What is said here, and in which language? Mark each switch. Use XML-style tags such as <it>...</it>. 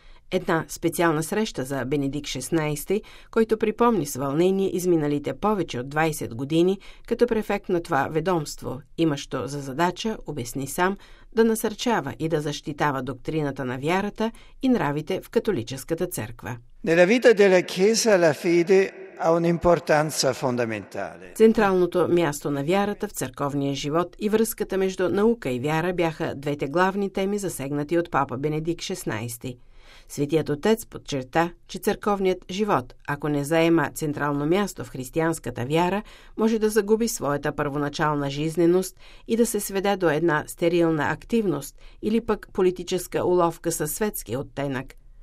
<bg>Една специална среща за Бенедикт XVI, който припомни с вълнение изминалите повече от 20 години като префект на това ведомство, имащо за задача, обясни сам, да насърчава и да защитава доктрината на вярата и нравите в католическата църква.</bg> <it>Nella vita della Chiesa la fede ha un'importanza fondamentale.</it> <bg>Централното място на вярата в църковния живот и връзката между наука и вяра бяха двете главни теми, засегнати от папа Бенедикт XVI. Светият Отец подчерта, че църковният живот, ако не заема централно място в християнската вяра, може да загуби своята първоначална жизненост и да се сведе до една стерилна активност или пък политическа уловка със светски оттенък.</bg>